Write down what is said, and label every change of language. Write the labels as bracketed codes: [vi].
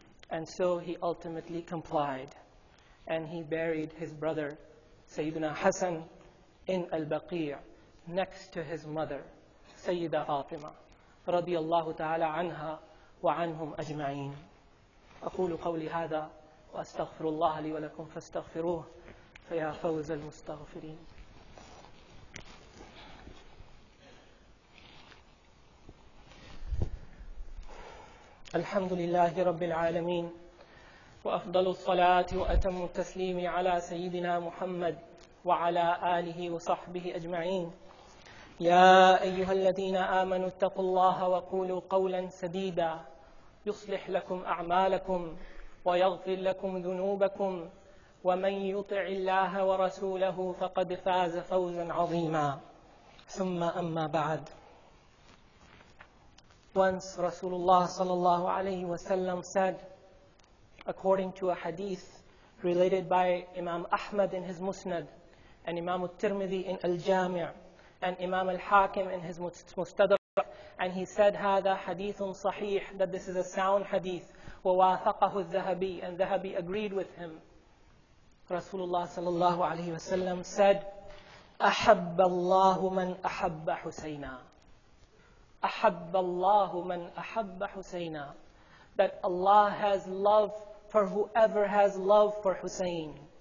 [en] And so he ultimately complied. And he buried his brother, Sayyidina Hassan, in Al-Baqi'ah, next to his mother, Sayyida Fatima, [ar] radiallahu ta'ala anha wa anhum ajma'in. أقول قولي هذا وأستغفر الله لي ولكم فاستغفروه فيا فوز المستغفرين الحمد لله رب العالمين وأفضل الصلاة وأتم التسليم على سيدنا محمد وعلى آله وصحبه أجمعين يا أيها الذين آمنوا اتقوا الله وقولوا قولا سديدا يصلح لكم أعمالكم ويغفر لكم ذنوبكم ومن يطع الله ورسوله فقد فاز فوزا عظيما ثم أما بعد [en] Once Rasulullah sallallahu alayhi wa sallam said, according to a hadith related by Imam Ahmad in his Musnad and Imam al-Tirmidhi in al-Jami' and Imam al-Hakim in his Mustadrak, And he said, [ar] هذا حديث صحيح, [en] that this is a sound hadith. [ar] ووافقه الذهبي, [en] and Zahabi agreed with him. Rasulullah sallallahu alayhi wa sallam said, [ar] أحب الله من أحب حسينا. أحب الله من أحب حسينا. [en] That Allah has love for whoever has love for Hussein.